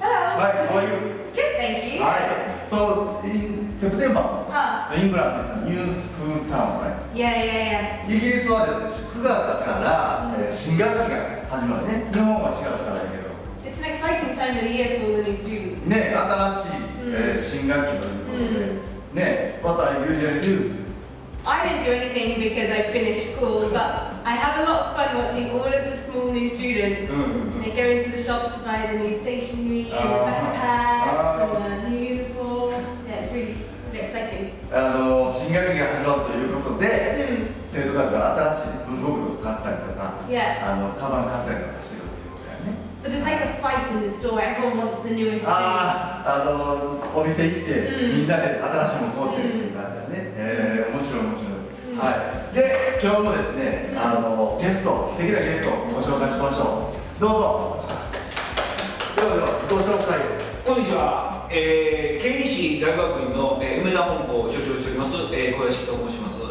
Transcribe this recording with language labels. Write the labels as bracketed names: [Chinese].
[English] はい、How are you? Good, thank you. はい、So, in September, So, England is a new school term, right? Yeah. [Japanese] イギリスはですね、9月から新学期が始まるね。日本は4月からだけど。 [English] It's an exciting time of the year for the new students. [Japanese] ね、新しい、新学期ということで。 [English] ね、What are you usually doing? I didn't do anything because I finished school, but I have a lot of fun watching all of the small new students. They go into the shops to buy the new stationery, and the backpacks, and the new uniform. Yeah, it's really exciting. [Japanese] 新学期が始まるということで、生徒たちが新しい文房具とか買ったりとか、カバン買ったりとかしてるっていうことだよね。 [English] But there's like a fight in the store. Everyone wants the newest thing. [Japanese] お店行って、みんなで新しいもの買ってるっていう感じだね。面白い面白い、はい、で今日もですね、ゲスト、素敵なゲストをご紹介しましょう。どうぞ。ではご紹介。こんにちは、県立大学院の、梅田本校を所長しております、小屋敷と申します。